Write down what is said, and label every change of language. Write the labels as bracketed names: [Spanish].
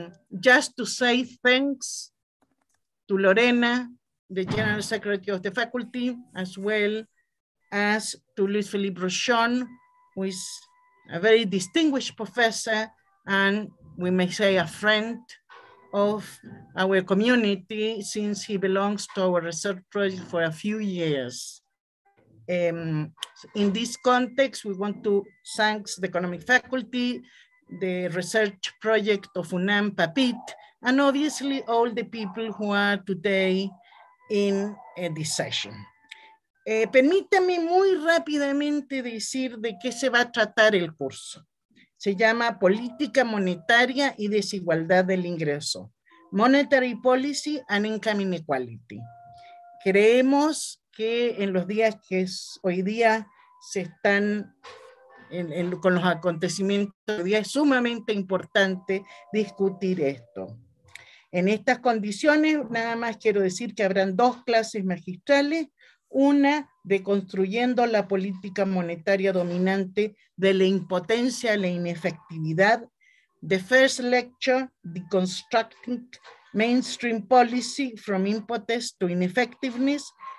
[English] Just to say thanks to Lorena, the General Secretary of the Faculty, as well as to Luis Felipe Rochon, who is a very distinguished professor, and we may say a friend of our community since he belongs to our research project for a few years. In this context, we want to thank the economic faculty, the research project of UNAM PAPIT, and obviously all the people who are today in this session. [Spanish] Permítame muy rápidamente decir de qué se va a tratar el curso. Se llama Política Monetaria y Desigualdad del Ingreso, [English] Monetary Policy and Income Inequality. [Spanish] Creemos que en los días que hoy día se están con los acontecimientos, es sumamente importante discutir esto. En estas condiciones, nada más quiero decir que habrán dos clases magistrales. Una, deconstruyendo la política monetaria dominante de la impotencia a la inefectividad. [English] The first lecture, Deconstructing Mainstream Policy from Impotence to Ineffectiveness.